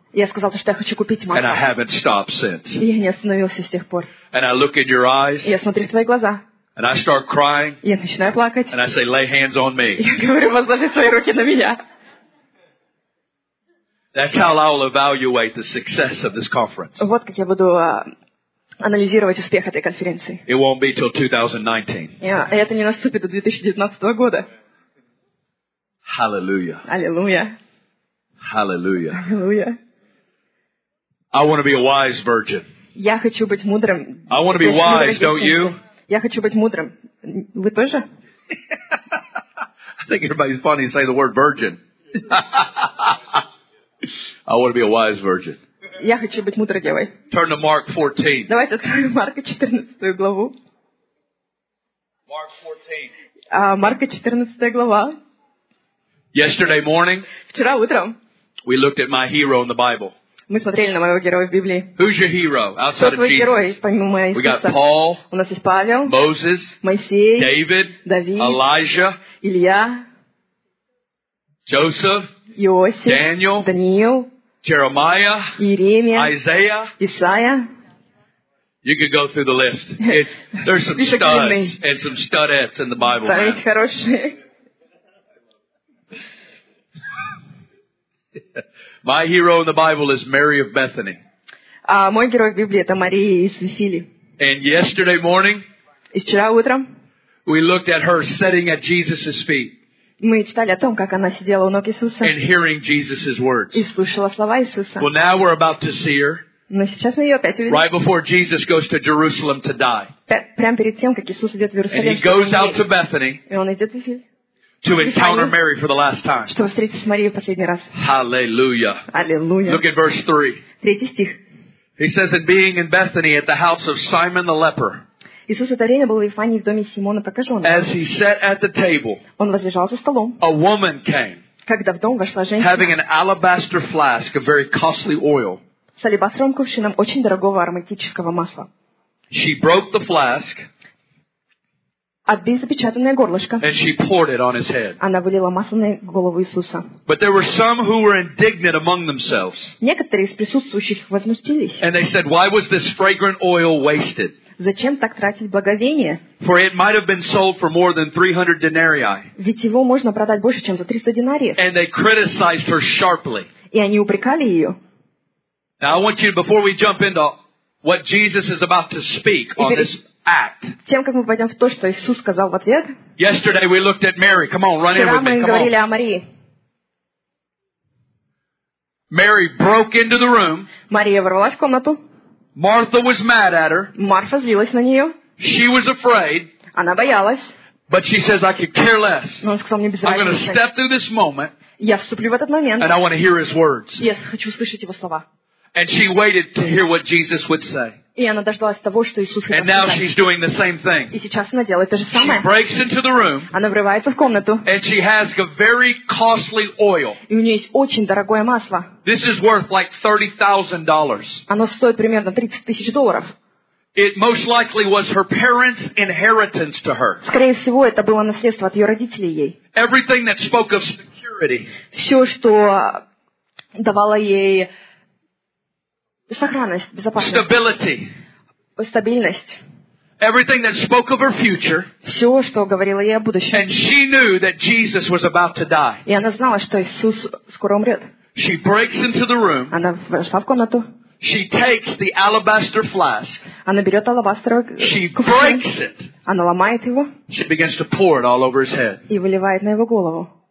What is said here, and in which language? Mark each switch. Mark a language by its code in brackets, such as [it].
[ru] Я сказал, что я хочу купить масло. [en] And I haven't stopped since. [ru] Я не остановился с тех пор. [en] And I look in your eyes. [ru] Я смотрю в твои глаза. [en] And I start crying. [ru] Я начинаю плакать. [en] And I say, lay hands on me. [ru] Я говорю, возложи свои руки на меня. [en] That's how I will evaluate the success of this conference. [ru] Вот как я буду анализировать успех этой конференции. [en] It won't be till 2019. [ru] Это не наступит до 2019 года. [en] Hallelujah. Hallelujah. Hallelujah. Hallelujah. I want to be a wise virgin. [ru] Я хочу быть мудрым. [en] I want to be wise, don't you? [ru] Я хочу быть мудрым. Вы тоже? [en] I think everybody's funny to say the word virgin. I want to be a wise virgin. [ru] Я хочу быть мудрой девой. [en] Turn to Mark 14. [ru] Давайте откроем Марка 14 главу. [en] Mark 14. [ru] Марка 14 глава. [en] Yesterday morning. [ru] Вчера утром. [en] We looked at my hero in the Bible. [ru] Мы смотрели на моего героя в Библии. [en] Who's your hero outside of Jesus? [ru] Кто твой герой, помимо Иисуса? [en] We got Paul. [ru] У нас есть Павел. [en] Moses. [ru] Моисей. [en] David. [ru] Давид. [en] Elijah. [ru] Илья. [en] Joseph. [ru] Иосиф, [en] Daniel, [ru] Даниил, [en] Jeremiah, [ru] Иеремия, [en] Isaiah, [ru] Исаия. [en] You could go through the list. There's some studs and some studettes in the Bible. [ru] Да, есть хорошие. [en] My hero in the Bible is Mary of Bethany. [ru] Мой герой в Библии это Мария из Вифилии. [en] And yesterday morning, [ru] и вчера утром, [en] we looked at her sitting at Jesus' feet. [ru] Мы читали о том, как она сидела у ног Иисуса и слушала слова Иисуса. [en] Well, now we're about to see her. [ru] Но сейчас мы ее опять увидим. [en] Right before Jesus goes to Jerusalem to die. [ru] Прямо перед тем, как Иисус идет в Иерусалим. [en] And he goes out to Bethany. [ru] И он идет в Вифилию. [en] To encounter Mary for the last time. [ru] Чтобы встретиться с Марией в последний раз. [en] Hallelujah. Hallelujah. Look at verse 3. [ru] Третий стих. [en] He says, and being in Bethany at the house of Simon the leper. [ru] Иисус это время был в Вифании в доме Симона Прокаженного. Он возлежал за столом. [en] A woman came, [ru] когда в дом вошла женщина, [en] having an alabaster flask of very costly oil. [ru] С алебастровым кувшином очень дорогого ароматического масла. [en] She broke the flask, [ru] отбила запечатанное горлышко, [en] and she poured it on his head. [ru] Она вылила масло на голову Иисуса. [en] But there were some who were indignant among themselves. [ru] Некоторые из присутствующих возмутились. [en] And they said, why was this fragrant oil wasted? [ru] Зачем так тратить благовение? [en] For it might have been sold for more than 300 denarii. [ru] Ведь его можно продать больше, чем за 300 динариев. [en] And they criticized her sharply. [ru] И они упрекали ее. [en] Now I want you, before we jump into what Jesus is about to speak on this act. [ru] Тем, как мы пойдем в то, что Иисус сказал в ответ. [en] Yesterday we looked at Mary. Come on, run in with me. [ru] Вчера мы говорили о Марии. [en] Mary broke into the room. [ru] Мария ворвалась в комнату. [en] Martha was mad at her. [ru] Марфа злилась на нее. [en] She was afraid. [ru] Она боялась. [en] But she says, I could care less. [ru] Но она сказала, мне без разницы. [en] I'm going to step through this moment. [ru] Я вступлю в этот момент. [en] And I want to hear his words. [ru] Я хочу услышать его слова. [en] And she waited to hear what Jesus would say. [ru] И она дождалась того, что Иисус хотел сказать. [en] And now she's doing the same thing. [ru] И сейчас она делает то же самое. [en] She breaks into the room. [ru] Она врывается в комнату. [en] And she has a very costly oil. [ru] И у нее есть очень дорогое масло. [en] This is worth like $30,000. [ru] Оно стоит примерно 30 тысяч долларов. [en] It most likely was her parents' inheritance to her. [ru] Скорее всего, это было наследство от ее родителей ей. [en] Everything that spoke of security. [ru] Все, что давало ей сохранность, безопасность. [en] Stability. [ru] Стабильность. [en] Everything that spoke of her future. [ru] Все, что говорило ей о будущем. [en] And she knew that Jesus was about to die. [ru] И она знала, что Иисус скоро умрет. [en] She breaks into the room. [ru] Она вошла в комнату. [en] She takes the alabaster flask. [ru] Она берет алебастровый кувшин. [en] She breaks it. [ru] Она ломает его. [en] She begins to pour it all over his head. [ru] И выливает на его голову.